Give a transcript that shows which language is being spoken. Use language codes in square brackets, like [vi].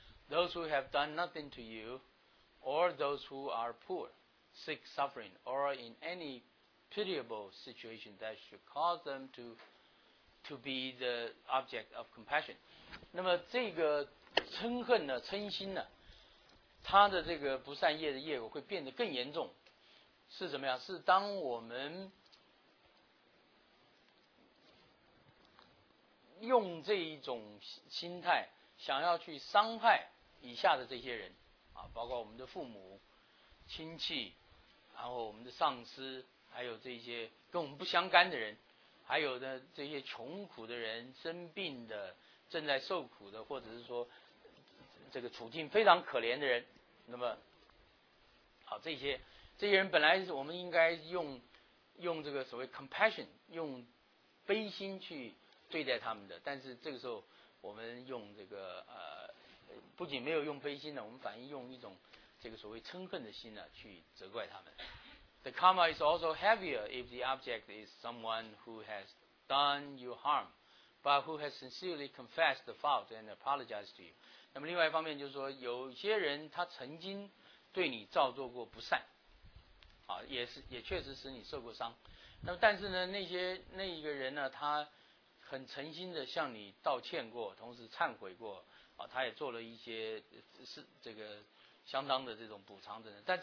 [en] Those who have done nothing to you, or those who are poor, sick, suffering, or in any pitiable situation that should cause them to to be the object of compassion. [zh] 那么这个嗔恨呢，嗔心呢，它的这个不善业的业果会变得更严重，是怎么样？是当我们用这一种心态想要去伤害以下的这些人啊，包括我们的父母、亲戚，然后我们的上司，还有这些跟我们不相干的人，还有呢这些穷苦的人、生病的、正在受苦的，或者是说这个处境非常可怜的人，那么好，这些人本来是我们应该用这个所谓 compassion， 用悲心去对待他们的，但是这个时候我们用这个不仅没有用悲心呢，我们反而用一种这个所谓嗔恨的心呢去责怪他们。 [en] The karma is also heavier if the object is someone who has done you harm, but who has sincerely confessed the fault and apologized to you. [zh] 那么另外一方面就是说，有些人他曾经对你造作过不善，啊，也确实使你受过伤。那么但是呢，那一个人呢，他很诚心的向你道歉过，同时忏悔过，啊，他也做了一些是这个相当的这种补偿等等。